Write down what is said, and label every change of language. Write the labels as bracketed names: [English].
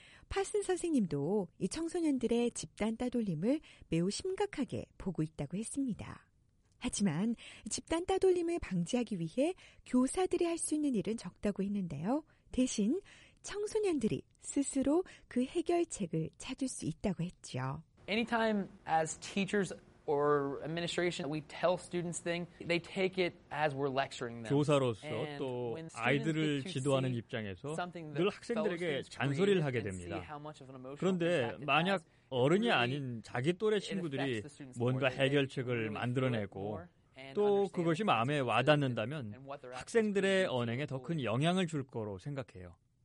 [Korean] 파슨 선생님도 이 청소년들의 집단 따돌림을 매우 심각하게 보고 있다고 했습니다. 하지만 집단 따돌림을 방지하기 위해 교사들이 할 수 있는 일은 적다고 했는데요. 대신 청소년들이 스스로 그 해결책을 찾을 수 있다고 했죠. [English] Anytime as teachers or administration we tell students things, they take it as we're lecturing them. [Korean] 교사로서 또 아이들을 지도하는 입장에서 늘 학생들에게 잔소리를 하게 됩니다. 그런데 만약 어른이 아닌 자기 또래 친구들이 뭔가 해결책을 만들어내고 또 그것이 마음에 와닿는다면 학생들의 언행에 더 큰 영향을 줄 거로 생각해요.